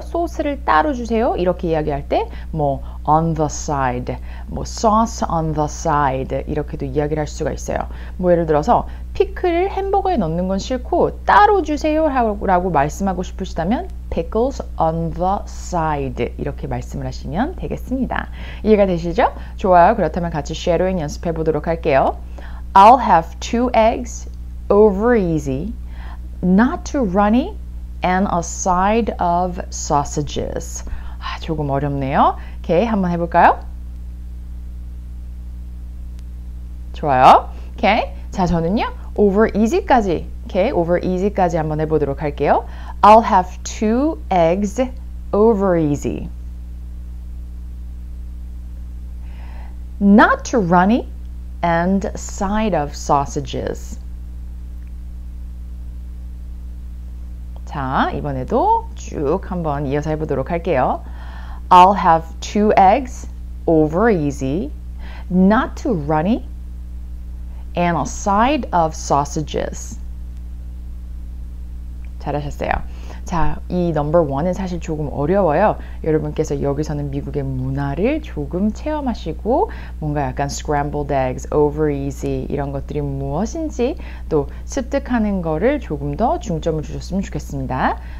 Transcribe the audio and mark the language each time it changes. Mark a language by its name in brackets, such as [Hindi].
[Korean] 소스를 따로 주세요. 이렇게 이야기할 때 뭐 [English] on the side, [Korean] 뭐 [English] sauce on the side [Korean] 이렇게도 이야기를 할 수가 있어요. 뭐 예를 들어서 피클을 햄버거에 넣는 건 싫고 따로 주세요 라고 말씀하고 싶으시다면 [English] pickles on the side [Korean] 이렇게 말씀을 하시면 되겠습니다. 이해가 되시죠? 좋아요. 그렇다면 같이 쉐도잉 연습해 보도록 할게요. [English] I'll have two eggs over easy, not too runny. And a side of sausages. [Korean] 아, 조금 어렵네요. 오케이, 한번 해볼까요? 좋아요. 오케이. 자, 저는요, over easy까지, 오케이, over easy까지 한번 해보도록 할게요. [English] I'll have two eggs over easy. Not too runny and side of sausages. [Korean] 자, 이번에도 쭉 한번 이어서 해보도록 할게요. [English] I'll have two eggs over easy, not too runny, and a side of sausages. [Korean] 잘하셨어요. 자, 이 넘버 원은 사실 조금 어려워요. 여러분께서 여기서는 미국의 문화를 조금 체험하시고 뭔가 약간 scrambled eggs, over easy 이런 것들이 무엇인지 또 습득하는 거를 조금 더 중점을 주셨으면 좋겠습니다.